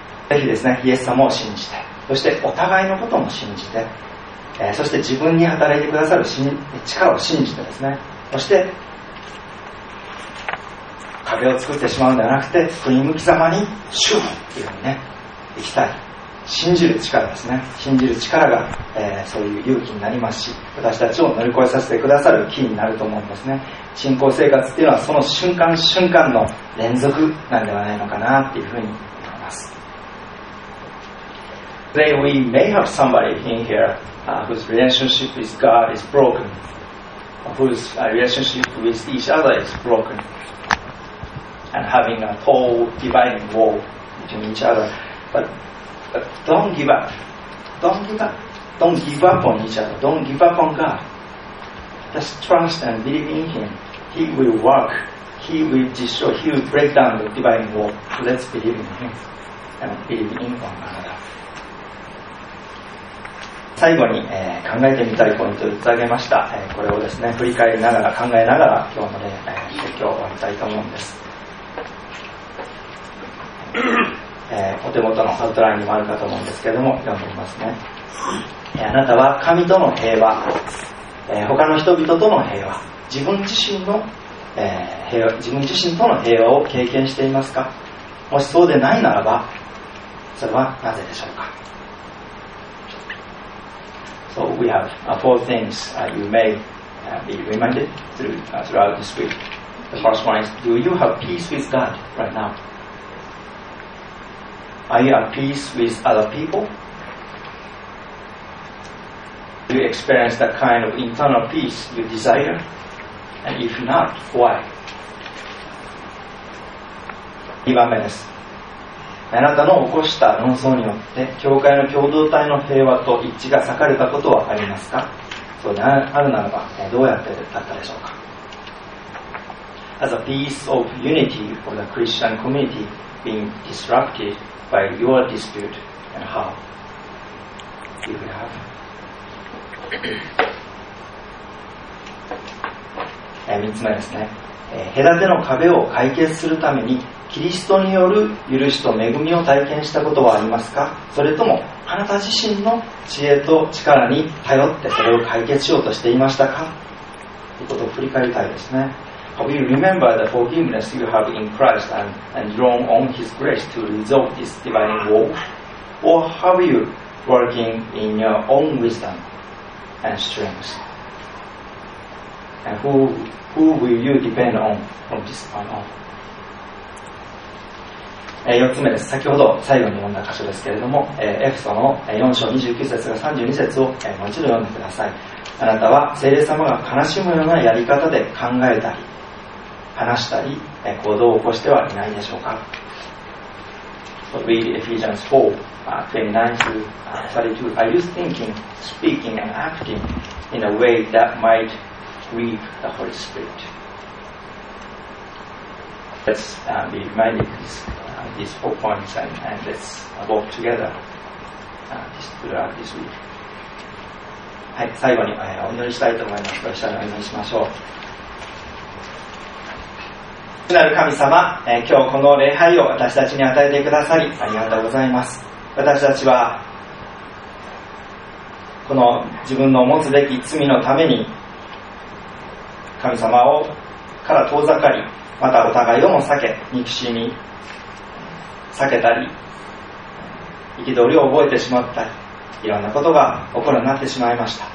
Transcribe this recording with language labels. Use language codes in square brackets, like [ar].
[ja] ぜひですね、イエス様を信じて、そしてお互いのことも信じて、そして自分に働いてくださる力を信じてですね、そして壁を作ってしまうんではなくて、振り向き様に主っていうふうにね、生きたい、信じる力ですね、信じる力が、そういう勇気になりますし、私たちを乗り越えさせてくださるキーになると思うんですね。信仰生活っていうのはその瞬間瞬間の連続なんではないのかなっていうふうに思います。 [en] Today we may have somebody in hereWhose relationship with God is broken, whose relationship with each other is broken, and having a tall dividing wall between each other. But don't give up. Don't give up. Don't give up on each other. Don't give up on God. Just trust and believe in Him. He will work. He will destroy. He will break down the dividing wall. Let's believe in Him and believe in one another. [ja] 最後に、考えてみたいポイントを言ってあげました、これをですね、振り返りながら考えながら今日の、ね、説教を終わりたいと思うんです。お手元のアウトラインにもあるかと思うんですけれども、読んでみますね。あなたは神との平和、他の人々との平和、自分自身の、平和、自分自身との平和を経験していますか？もしそうでないならば、それはなぜでしょうか？ [en] So we have four things you may be reminded throughout this week. The first one is, do you have peace with God right now? Are you at peace with other people? Do you experience that kind of internal peace you desire? And if not, why? [ja] 2番目です。あなたの起こした論争によって教会の共同体の平和と一致が裂かれたことはありますか？そうであるならば、どうやってだったでしょうか？ [en] Has a piece of unity for the Christian community been disrupted by your dispute and how? Do you have? [ja] 3つ目ですね、隔ての壁を解決するためにキリストによる許しと恵みを体験したことはありますか？それともあなた自身の知恵と力に頼ってそれを解決しようとしていましたか？ということを振り返りたいですね。 [en] Have you remembered the forgiveness you have in Christ and drawn on His grace to resolve this dividing wall? Or have you working in your own wisdom and strength? And who will you depend on from this point on? [ja] 4つ目です。先ほど最後に読んだ箇所ですけれども、エフソの4章29節から32節をもう一度読んでください。あなたは聖霊様が悲しむようなやり方で考えたり、話したり、行動を起こしてはいないでしょうか。 [en] So read Ephesians 4:29-32. Are you thinking, speaking and acting in a way that might grieve the Holy Spirit? Let's be reminded this. These four points and let's walk together throughout this week. [ja] はい、最後に、お祈りしたいと思います。一緒にお祈りしましょう。父なる神様、今日この礼拝を私たちに与えてくださりありがとうございます。私たちはこの自分の持つべき罪のために神様をから遠ざかり、またお互いをも避け、憎しみ避けたり、憤りを覚えてしまったり、いろんなことが起こるようになってしまいました。